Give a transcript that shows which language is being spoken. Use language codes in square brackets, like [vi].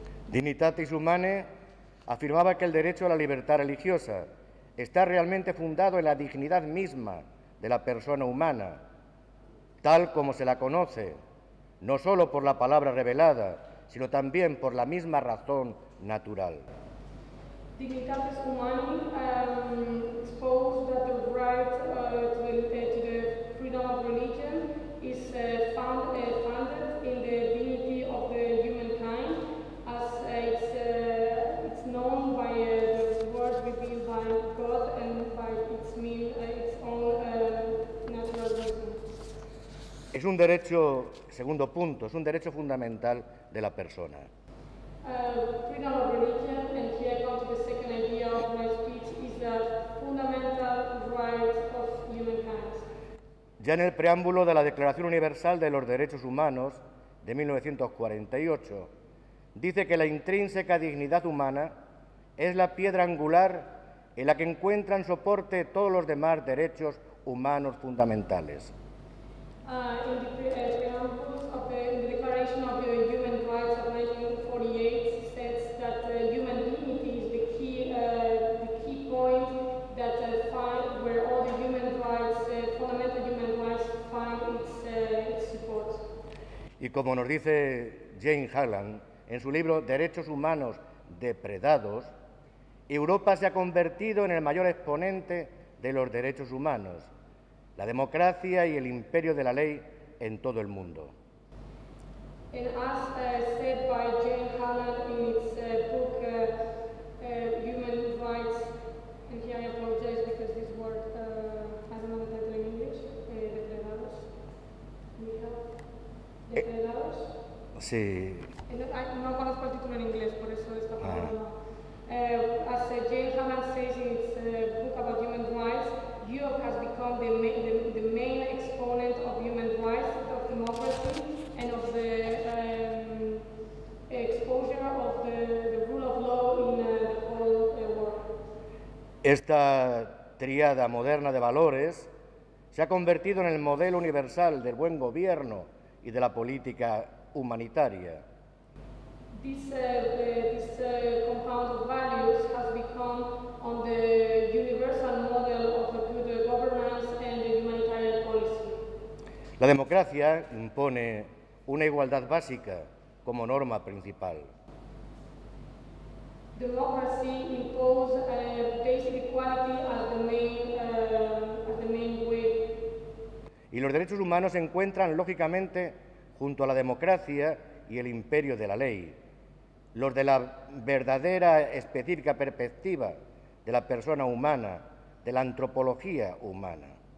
[es] Dignitatis Humanae afirmaba que el derecho a la libertad religiosa está realmente fundado en la dignidad misma de la persona humana, tal como se la conoce, no solo por la palabra revelada, sino también por la misma razón natural. [en] Dignitatis Humanae spoke that the right to the freedom of religion is founded in the dignity of the humankind, as it's known by the word revealed by God and by its mean, its own natural reason. [es] Es un derecho, segundo punto, es un derecho fundamental de la persona. [en] Freedom of religion, and here comes the second idea of my speech, is a fundamental right of humankind. [es] Ya en el preámbulo de la Declaración Universal de los Derechos Humanos de 1948, dice que la intrínseca dignidad humana es la piedra angular en la que encuentran soporte todos los demás derechos humanos fundamentales. [en] In the preamble of the Declaration of the Human Rights of 1948, says that human dignity is the key point that find where all the human rights, fundamental human rights, find its support. [es] Y como nos dice Jane Harlan en su libro Derechos Humanos Depredados, Europa se ha convertido en el mayor exponente de los derechos humanos, la democracia y el imperio de la ley en todo el mundo. [en] And as said by Jane Harlan in its book Human Rights, and here I apologize because this word has another title in English, Depredados. [es] Depredados. Sí. No conozco el título en inglés, por eso está hablando. [en] As Jane Harlan says in its book about human rights, Europe has become the main exponent of human rights, of democracy, and of the exposure of the rule of law in the whole world. [es] Esta triada moderna de valores se ha convertido en el modelo universal del buen gobierno y de la política humanitaria. [en] This compound of values has become on the universal model of the good governance and the humanitarian policy. [es] La democracia impone una igualdad básica como norma principal. [en] Democracy imposes a basic equality as the main way. [es] Y los derechos humanos se encuentran lógicamente junto a la democracia y el imperio de la ley, los de la verdadera específica perspectiva de la persona humana, de la antropología humana.